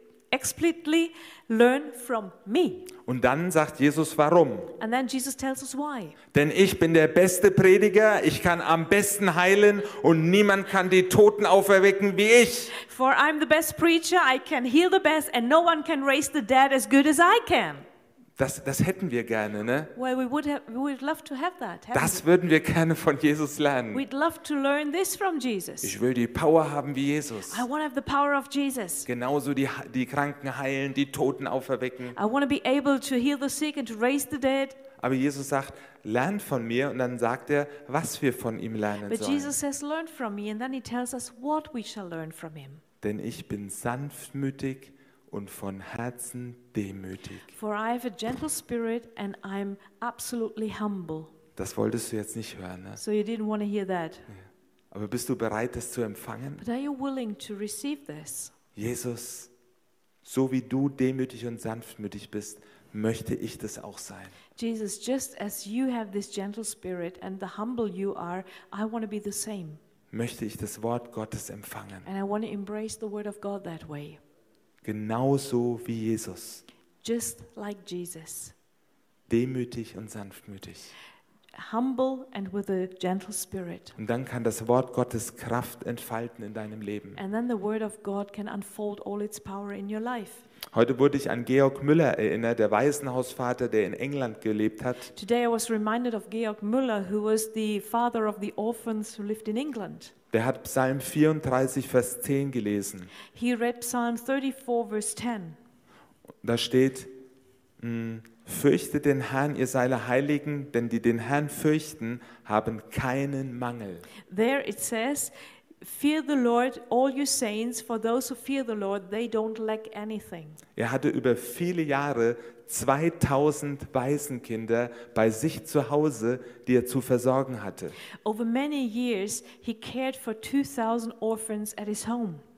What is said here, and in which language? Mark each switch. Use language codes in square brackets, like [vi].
[en] explicitly learn from me. [de] Und dann sagt Jesus, warum? [en] And then Jesus tells us why. [de] Denn ich bin der beste Prediger, ich kann am besten heilen und niemand kann die Toten auferwecken wie ich. [en] For I'm the best preacher, I can heal the best and no one can raise the dead as good as I can. [de] Das hätten wir gerne, ne? [en] Well, we would love to have that. [de] Das würden wir gerne von Jesus lernen. [en] We'd love to learn this from Jesus. [de] Ich will die Power haben wie Jesus. [en] I want to have the power of Jesus. [de] Genauso die Kranken heilen, die Toten auferwecken. [en] I want to be able to heal the sick and to raise the dead. [de] Aber Jesus sagt, lernt von mir, und dann sagt er, was wir von ihm lernen sollen. [en] But Jesus says, learn from me, and then he tells us what we shall learn from him. [de] Denn ich bin sanftmütig und von Herzen demütig. [en] For I have a gentle spirit and I'm absolutely humble. [de] Das wolltest du jetzt nicht hören, ne? [en] So you didn't want to hear that. [de] Ja. Aber bist du bereit, das zu empfangen? [en] But are you willing to receive this? [de] Jesus, so wie du demütig und sanftmütig bist, möchte ich das auch sein. [en] Jesus, just as you have this gentle spirit and the humble you are, I want to be the same. [de] Möchte ich das Wort Gottes empfangen. [en] And I want to embrace the word of God that way. [de] Genauso wie Jesus. [en] Just like Jesus. [de] Demütig und sanftmütig. [en] Humble and with a gentle spirit. [de] Und dann kann das Wort Gottes Kraft entfalten in deinem Leben. [en] And then the word of God can unfold all its power in your life. [de] Heute wurde ich an Georg Müller erinnert, der Waisenhausvater, der in England gelebt hat. [en] Today I was reminded of Georg Müller, who was the father of the orphans who lived in England. [de] Der hat Psalm 34, Vers 10 gelesen. [en] He read Psalm 34, Vers 10. [de] Da steht, fürchtet den Herrn, ihr seine Heiligen, denn die den Herrn fürchten, haben keinen Mangel. [en] There it says, fear the Lord, all you saints, for those who fear the Lord, they don't lack anything. [de] Er hatte über viele Jahre 2000 Waisenkinder bei sich zu Hause, die er zu versorgen hatte. [en] Over many years, he cared for 2000 orphans at his home.